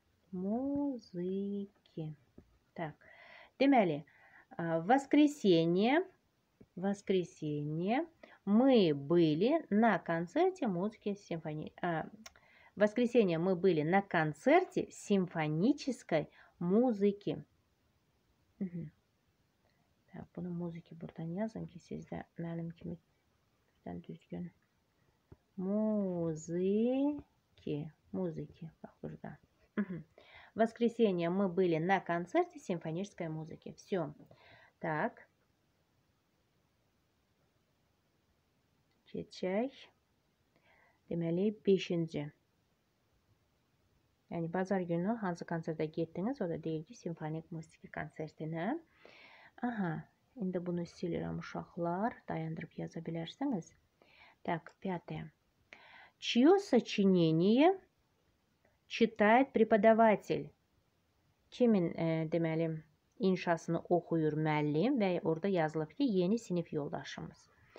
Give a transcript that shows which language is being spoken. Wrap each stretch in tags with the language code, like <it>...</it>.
<ru>Симфонической музыки. Так. Deməli, воскресенье мы были на концерте музыки воскресенье мы были на концерте симфонической музыки.</ru> <az>Так, bunu музыки burdan yazın ki sizdə mənim kimi birdən düzgün. Музыки. Bax burada.</az> <ru>В воскресенье мы были на концерте симфонической музыки. Все. Так.</ru> <az>Geçək. Deməli, 5-ci. Yəni, bazar günü hansı konserdə getdiniz? O da deyil ki, simfonik musiki konsertinə. Aha, indi bunu silirəm uşaqlar. Dayandırıb yaza bilərsiniz. Так, 5-ci.</az> <ru>Чье сочинение читает преподаватель?</ru> <az>Kimin deməli inşasını oxuyur müəllim və orada yazılıb ki, yeni sinif yoldaşımız.</az>